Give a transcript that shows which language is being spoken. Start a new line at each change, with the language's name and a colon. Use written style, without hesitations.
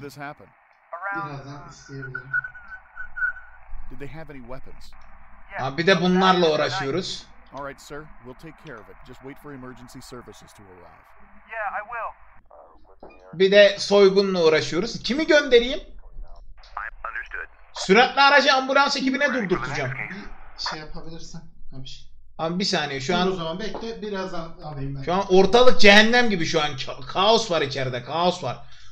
Turkish: Birazdan
English: did they have any weapons?
Turkish: Yeah, bir de bunlarla uğraşıyoruz.
English: All right sir, we'll take care of it. Just wait for emergency services to arrive. Yeah, I will.
Turkish: Bir de soygunla uğraşıyoruz. Kimi göndereyim? Süratli aracı ambulans ekibine durdurtacağım. Şey yapabilirsin. Abi bir saniye şu an. O zaman bekle birazdan alayım ben. Şu an ortalık cehennem gibi şu an. Kaos var içeride, kaos var.